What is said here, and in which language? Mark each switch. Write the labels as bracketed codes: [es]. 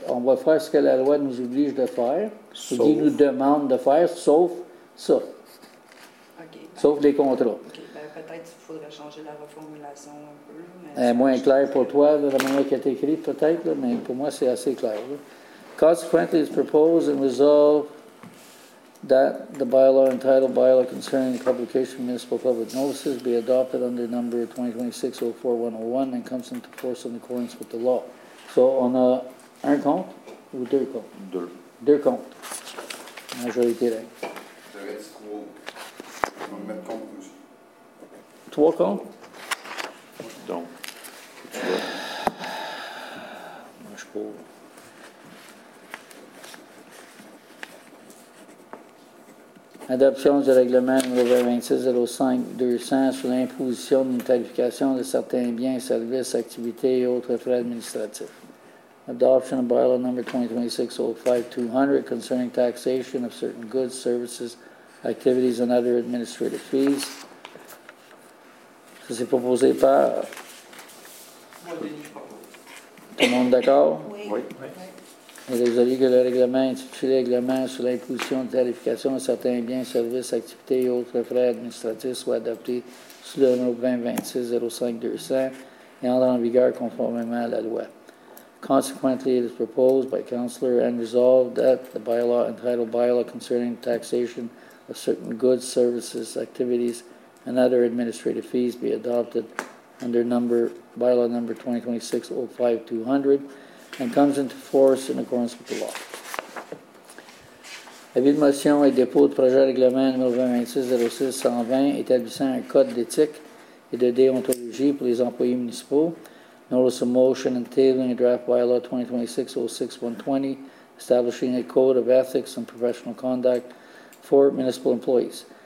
[fr] On va faire ce que la loi nous oblige de faire, ce qu'il nous demande de faire, sauf ça. OK. Sauf les contrats. OK, bien, peut-être qu'il faudrait changer la reformulation un peu, mais... moins clair pour toi, de la manière qu'elle est écrite, peut-être, là, mais pour moi, c'est assez clair, là. [en] Consequently, it is proposed and resolved that the bylaw entitled Bylaw Concerning the Publication of Municipal Public Notices be adopted under number 2026-04-101 and comes into force in accordance with the law. [fr] So, on a un compte ou deux comptes? Deux. Deux comptes. Majorité règle. Ça reste trois. On va mettre compte aussi. Trois comptes? Donc, tu vois. Moi, je peux. Adoption du règlement numéro 2605-200 sur l'imposition d'une tarification de certains biens, services, activités et autres frais administratifs. [en] Adoption of bylaw number 2026-05-200 concerning taxation of certain goods, services, activities and other administrative fees. [fr] Ça, c'est proposé par... Moi, Denis. Tout le monde d'accord? Oui. Oui. Et vous avez que le règlement intitulé Règlement sur l'imposition de tarification de certains biens, services, activités et autres frais administratifs soit adopté sous le numéro 2026-05-200 et entre en vigueur conformément à la loi. [en] Consequently, it is proposed by Councillor and resolved that the bylaw entitled Bylaw Concerning Taxation of Certain Goods, Services, Activities and Other Administrative Fees be adopted under number bylaw number 2026-05-200. And comes into force in accordance with the law. [fr] Avis de motion et dépôt de projet de règlement numéro 2026-06-120 établissant un code d'éthique et de déontologie pour les employés municipaux. [en] Notice of motion entailing a draft bylaw 2026-06-120 establishing a code of ethics and professional conduct for municipal employees.